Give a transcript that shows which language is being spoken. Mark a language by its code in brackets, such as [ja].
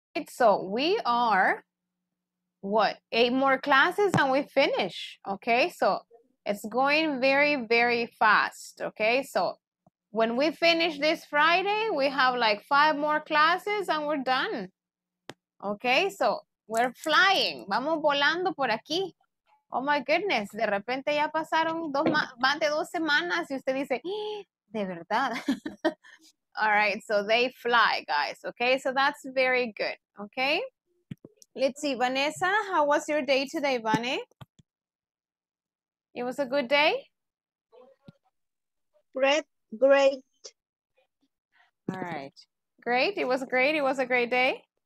[en] So we are, what, 8 more classes and we finish, okay? So it's going very, very fast, okay? So when we finish this Friday, we have like 5 more classes and we're done, okay? So we're flying. [es] Vamos volando por aquí. [en] Oh my goodness, [es] de repente ya pasaron más de dos semanas y usted dice, de verdad. [en] All right, so they fly, guys. Okay, so that's very good. Okay, let's see, Vanessa, how was your day today, Vane? It was a good day? Great, great. All right, great. It was great. It was a great day.